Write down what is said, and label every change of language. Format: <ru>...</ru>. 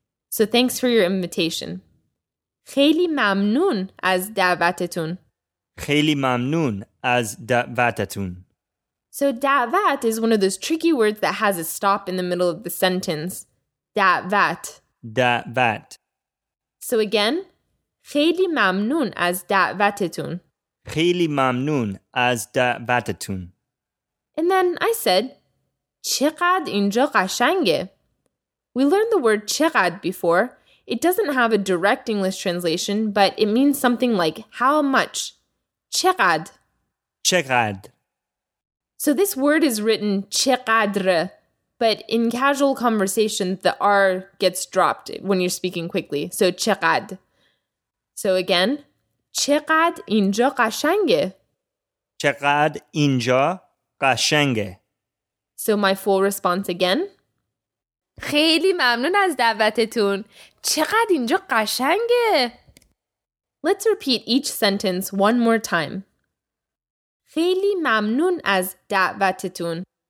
<en>So thanks for your invitation.</en> <fa>خیلی ممنون از دعوتتون. خیلی ممنون از دعوتتون.</fa> <en>So دعوت is one of those tricky words that has a stop in the middle of the sentence.</en> <fa>دعوت. دعوت.</fa> <en>So again,</en> <fa>خیلی ممنون از دعوتتون. خیلی ممنون از دعوتتون.</fa> <en>And then I said,</en> <fa>چقدر اینجا قشنگه.</fa> <en>We learned the word چقدر before. It doesn't have a direct English translation, but it means something like how much.</en> <fa>چقدر. چقدر.</fa> <en>So this word is written چقدر, but in casual conversation, the R gets dropped when you're speaking quickly.</en> <fa>So چقدر.</fa> <en>So again,</en> <fa>چقدر اینجا قشنگه. چقدر اینجا قشنگه.</fa> <en>So my full response again.</en> <fa>خیلی ممنون از دعوتتون. چقدر اینجا قشنگه.</fa> <en>Let's repeat each sentence one more time.</en> <fa>خیلی ممنون از دعوتتون.</fa>